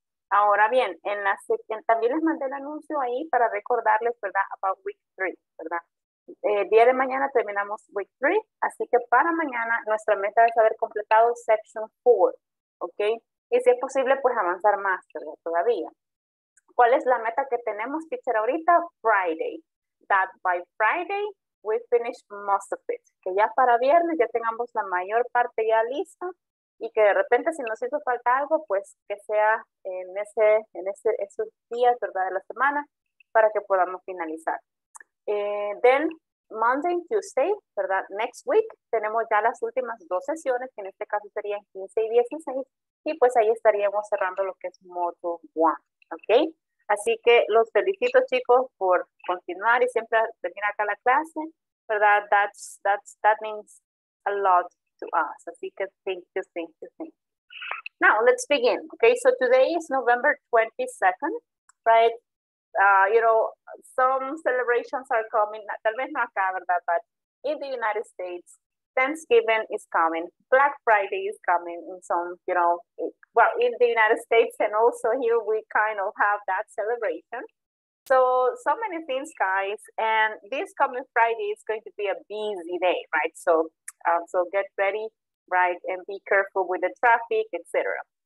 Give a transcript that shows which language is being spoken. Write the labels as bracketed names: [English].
[Spanish] Ahora bien, en la sección, también les mandé el anuncio ahí para recordarles, ¿verdad? About week 3, ¿verdad? El día de mañana terminamos week 3, así que para mañana nuestra meta es haber completado section 4, ¿ok? Y si es posible, pues avanzar más, ¿verdad? Todavía. ¿Cuál es la meta que tenemos, teacher, ahorita? [English] Friday. That by Friday, we finish most of it. [Spanish] Que ya para viernes ya tengamos la mayor parte ya lista y que de repente si nos hizo falta algo, pues que sea esos días, ¿verdad? De la semana para que podamos finalizar. [English] Then, Monday, Tuesday, [Spanish] ¿verdad? [English] Next week, [Spanish] tenemos ya las últimas dos sesiones, que en este caso serían 15 y 16, y pues ahí estaríamos cerrando lo que es módulo 1, ¿ok? Así que los felicito, chicos, por continuar y siempre venir acá a la clase, ¿verdad? [English] That means a lot to us. Así que thank you, thank you, thank you. Now, let's begin, ¿ok? So today is November 22nd, right? Some celebrations are coming, [Spanish] tal vez no acá, ¿verdad? [English] But in the United States, Thanksgiving is coming, Black Friday is coming, and some, well, in the United States, and also here we kind of have that celebration. So many things, guys, and this coming Friday is going to be a busy day, right? So get ready, right? And be careful with the traffic, etc.